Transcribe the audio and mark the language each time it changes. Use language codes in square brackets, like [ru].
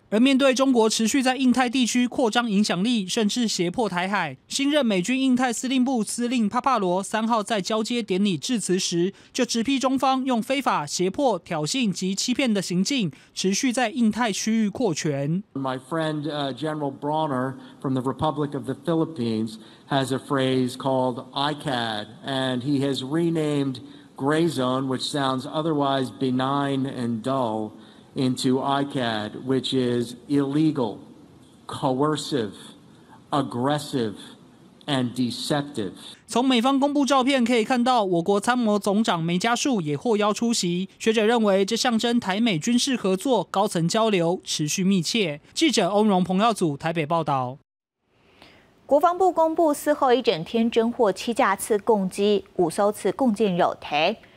[zh] 而面对中国持续在印太地区扩张影响力，甚至胁迫台海，新任美军印太司令部司令帕帕罗3号在交接典礼致辞时，就直批中方用非法、胁迫、挑衅及欺骗的行径，持续在印太区域扩权。 [en] My friend General Bronner from the Republic of the Philippines has a phrase called ICAD, and he has renamed Gray Zone, which sounds otherwise benign and dull. Into ICAD, which is illegal, coercive, aggressive, and deceptive. [zh] 从美方公布照片可以看到，我国参谋总长梅家树也获邀出席。学者认为，这象征台美军事合作高层交流持续密切。记者翁荣、彭耀祖台北报道。国防部公布4号一整天侦获7架次共机，5艘次共建扰台。